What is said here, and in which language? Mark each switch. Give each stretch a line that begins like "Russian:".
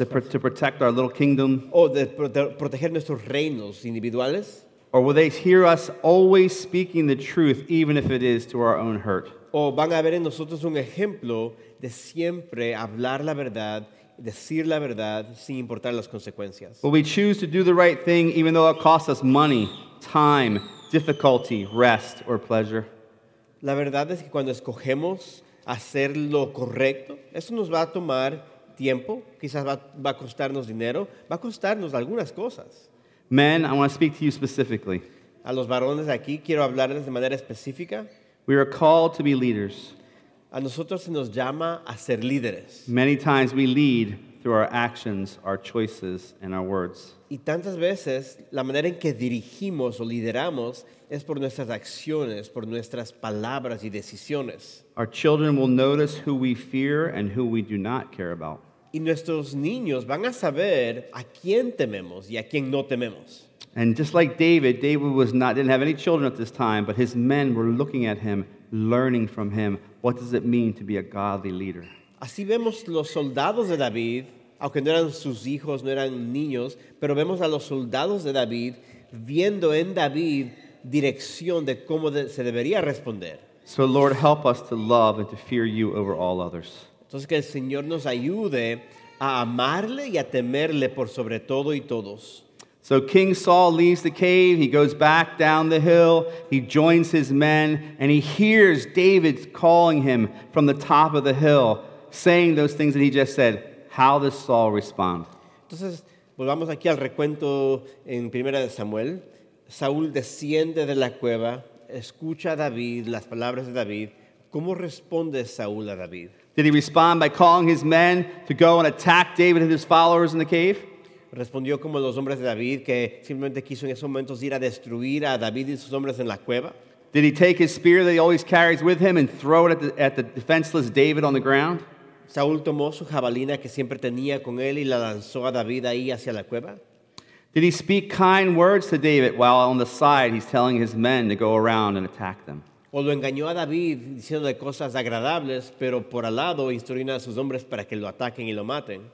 English: to protect our little kingdom?
Spanish: Oh, de proteger nuestros reinos individuales.
English: Or will they hear us always speaking the truth, even if it is to our own hurt?
Spanish: O van a ver en nosotros un ejemplo de siempre hablar la verdad, decir la verdad sin importar las consecuencias.
English: Will we choose to do the right thing, even though it costs us money, time, difficulty, rest, or pleasure?
Spanish: La verdad es que cuando escogemos hacer lo correcto, eso nos va a tomar tiempo, quizás va a costarnos dinero, va a costarnos algunas cosas.
English: Men, I want to speak to you specifically.
Spanish: A los varones de aquí, quiero hablarles de manera específica.
English: We are called to be leaders.
Spanish: A nosotros se nos llama a ser líderes.
English: Many times we lead through our actions, our choices, and our words.
Spanish: Y tantas veces la manera en que dirigimos o lideramos es por nuestras acciones, por nuestras palabras y decisiones.
English: Our children will notice who we fear and who we do not care about.
Spanish: Y nuestros niños van a saber a quién tememos y a quién no tememos.
English: And just like David, David was not didn't have any children at this time, but his men were looking at him, learning from him. What does it mean to be a godly leader?
Spanish: Así vemos los soldados de David, aunque no eran sus hijos, no eran niños, pero vemos a los soldados de David viendo en David dirección de cómo se debería responder.
English: So Lord, help us to love and to fear you over all others.
Spanish: Entonces que el Señor nos ayude a amarle y a temerle por sobre todo y todos.
English: So King Saul leaves the cave, he goes back down the hill, he joins his men, and he hears David calling him from the top of the hill, saying those things that he just said. How does Saul respond?
Spanish: Entonces, volvamos aquí al recuento en Primera de Samuel. Saúl desciende de la cueva, escucha a David, las palabras de David. ¿Cómo responde Saúl a David?
English: Did he respond by calling his men to go and attack David and his followers in the cave?
Spanish: ¿Respondió como los hombres de David que simplemente quiso en esos momentos ir a destruir a David y sus hombres en la cueva?
English: Did he take his spear that he always carries with him and throw it at the defenseless David on the ground?
Spanish: ¿Saúl tomó su jabalina que siempre tenía con él y la lanzó a David ahí hacia la cueva?
English: Did he speak kind words to David while on the side he's telling his men to go around and attack them?
Spanish: O lo engañó a David diciéndole cosas agradables, pero por al lado instruyendo a sus hombres para que lo ataquen y lo maten.